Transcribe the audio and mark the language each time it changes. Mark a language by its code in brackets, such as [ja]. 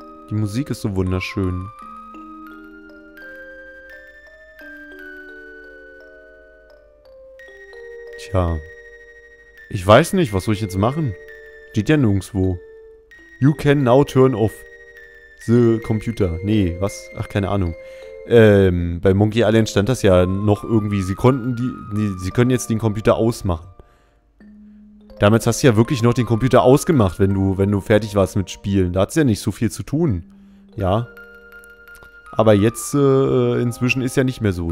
[de] Die Musik ist so wunderschön. Tja. Ich weiß nicht, was soll ich jetzt machen? Steht ja nirgendwo. [en] You can now turn off the computer. [de] Nee, was? Ach, keine Ahnung. Bei Monkey Island stand das ja noch irgendwie. Sie können jetzt den Computer ausmachen. Damals hast du ja wirklich noch den Computer ausgemacht, wenn du fertig warst mit Spielen. Da hat es ja nicht so viel zu tun. Ja. Aber jetzt, inzwischen ist ja nicht mehr so.